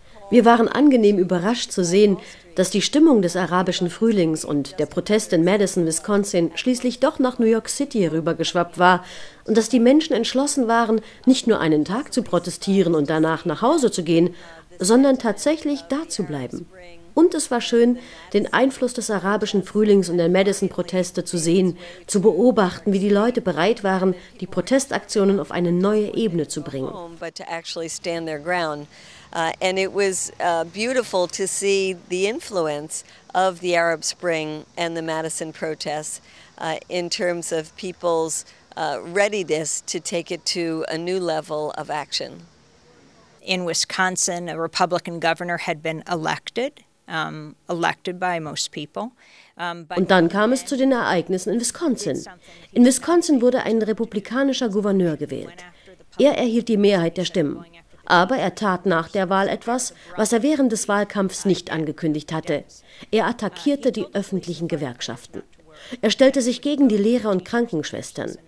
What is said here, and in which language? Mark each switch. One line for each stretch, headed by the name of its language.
German: Wir waren angenehm überrascht zu sehen, dass die Stimmung des arabischen Frühlings und der Protest in Madison, Wisconsin, schließlich doch nach New York City herübergeschwappt war und dass die Menschen entschlossen waren, nicht nur einen Tag zu protestieren und danach nach Hause zu gehen, sondern tatsächlich da zu bleiben. Und es war schön, den Einfluss des arabischen Frühlings und der Madison-Proteste zu sehen, zu beobachten, wie die Leute bereit waren, die Protestaktionen auf eine neue Ebene zu bringen.
English: And it was beautiful to see the influence of the Arab Spring and the Madison protests in terms of people's readiness to take it to a new level of action. In Wisconsin, a Republican governor had been elected, elected by most people.
German: Und dann kam es zu den Ereignissen in Wisconsin. In Wisconsin wurde ein republikanischer Gouverneur gewählt. Er erhielt die Mehrheit der Stimmen. Aber er tat nach der Wahl etwas, was er während des Wahlkampfs nicht angekündigt hatte. Er attackierte die öffentlichen Gewerkschaften. Er stellte sich gegen die Lehrer und Krankenschwestern.